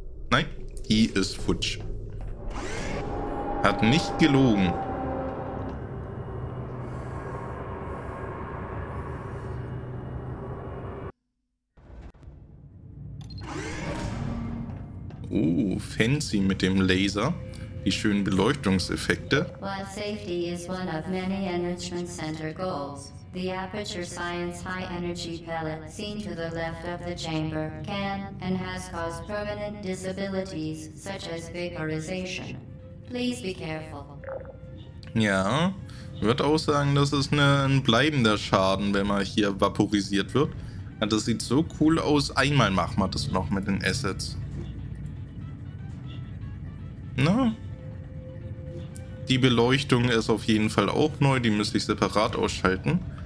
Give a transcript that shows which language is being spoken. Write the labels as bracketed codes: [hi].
[de] Nein, die ist futsch. Hat nicht gelogen. Oh, fancy mit dem Laser. Die schönen Beleuchtungseffekte. [en] While safety is one of many enrichment center goals, the Aperture Science High Energy Pellet seen to the left of the chamber can and has caused permanent disabilities such as vaporization. Please be careful. [de] Ja, wird auch sagen, das ist ein bleibender Schaden, wenn man hier vaporisiert wird. Ja, das sieht so cool aus. Einmal machen wir das noch mit den Assets. Na? Die Beleuchtung ist auf jeden Fall auch neu, die müsste ich separat ausschalten.